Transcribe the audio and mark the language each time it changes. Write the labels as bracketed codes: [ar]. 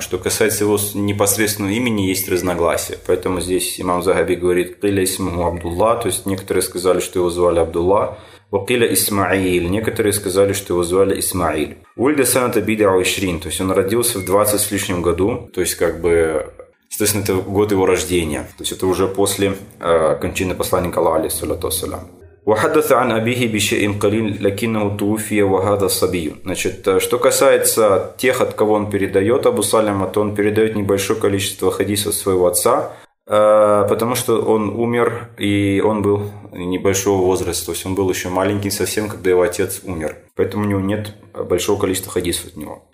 [ru] Что касается его непосредственного имени, есть разногласия. Поэтому здесь имам Захаби говорит [ar] «Киля исмаху Абдулла», [ru] то есть некоторые сказали, что его звали Абдулла. [ar] «Киля Исмаиль», [ru] некоторые сказали, что его звали Исмаиль. [ar] «Ульда саната бидау ишрин», [ru] то есть он родился в 20 с лишним году, то есть как бы, соответственно, это год его рождения. То есть это уже после кончины посланника Аллаха, алейхиссалату вассалям. [ar] وحدث عن أبيه بشيء قليل لكنه توفي وهذا صبي. [ru] Значит, что касается тех, от кого он передает Абу Саляма, то он передает небольшое количество хадисов своего отца, потому что он умер и он был небольшого возраста, то есть он был еще маленький совсем, когда его отец умер, поэтому у него нет большого количества хадисов от него.